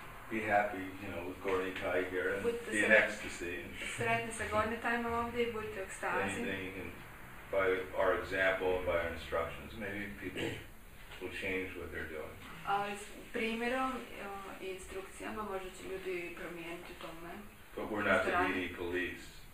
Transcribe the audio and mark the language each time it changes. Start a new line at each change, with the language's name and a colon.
English: Be happy, you know, with Gorni Thai here and be in ecstasy.
Croatian: Sretni sa Gorni Thaima ovdje I budite u ekstazi.
English: Then you can, by our example and by our instructions, maybe people will change what they're doing.
Croatian: Primjerom I instrukcijama možda će ljudi promijeniti tome.
English: But we're not the deity police.